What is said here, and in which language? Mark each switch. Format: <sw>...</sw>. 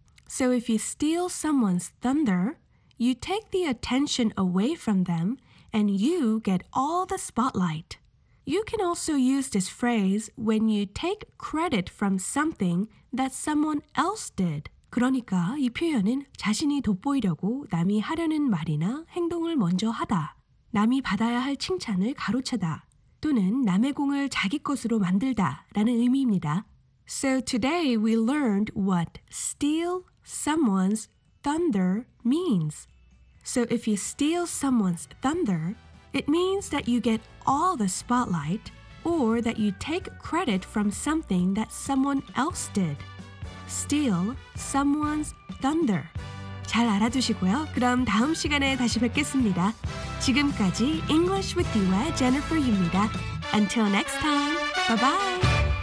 <en>So if you steal someone's thunder, you take the attention away from them and you get all the spotlight. You can also use this phrase when you take credit from something that someone else did.</en> <ko>그러니까 이 표현은 자신이 돋보이려고 남이 하려는 말이나 행동을 먼저 하다, 남이 받아야 할 칭찬을 가로채다, 또는 남의 공을 자기 것으로 만들다 라는 의미입니다.</ko> <en>So today we learned what steal someone's thunder means. So if you steal someone's thunder, it means that you get all the spotlight or that you take credit from something that someone else did. Steal someone's thunder.</en> <ko>잘 알아두시고요. 그럼 다음 시간에 다시 뵙겠습니다. 지금까지</ko> <en>English with D와 Jennifer입니다. Until next time, bye-bye.</en>